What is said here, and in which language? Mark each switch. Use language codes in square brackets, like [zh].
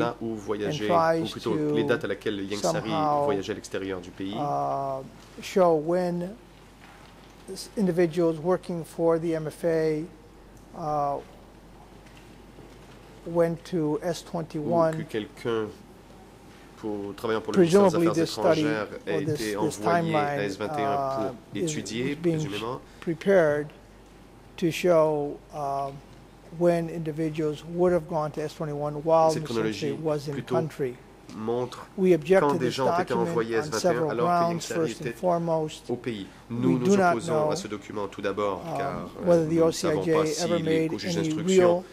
[en] and tries to show when individuals working for the MFA went to S21. [fr] Travaillant pour le ministère des Affaires étrangères a été envoyé à S21 pour étudier, présumément. [en] Prepared to show when individuals would have gone to S21 while Mr. Sary was in country. We objected to this document on several grounds. First and foremost, [fr] nous nous opposons à ce document tout d'abord, car [en] whether the OCIJ ever made any real